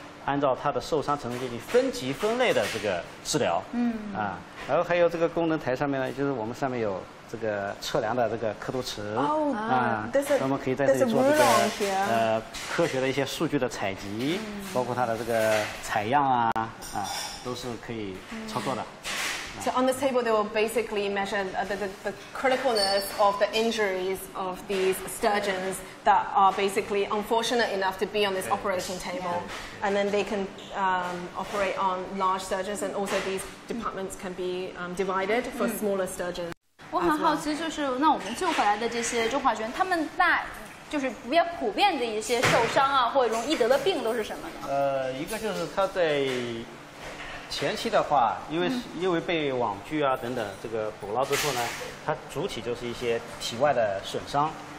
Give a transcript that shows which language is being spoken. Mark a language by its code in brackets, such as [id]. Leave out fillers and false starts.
[zh] 按照它的受伤程度进行分级分类的这个治疗，然后还有这个功能台上面呢，就是我们上面有这个测量的这个刻度尺，那么可以在这里做这个科学的一些数据的采集，包括它的这个采样啊，都是可以操作的。So [en] on this table, they will basically measure the criticalness of the injuries of these sturgeons that are basically unfortunate enough to be on this operating table. And then they can operate on large sturgeons, and also these departments can be divided for smaller sturgeons. [zh] 我很好奇，就是那我们救回来的这些中华鲟，他们那就是比较普遍的一些受伤啊，或者容易得的病都是什么呢？一个就是它在。前期的话，因为被网具啊等等这个捕捞之后呢，它主体就是一些体外的损伤。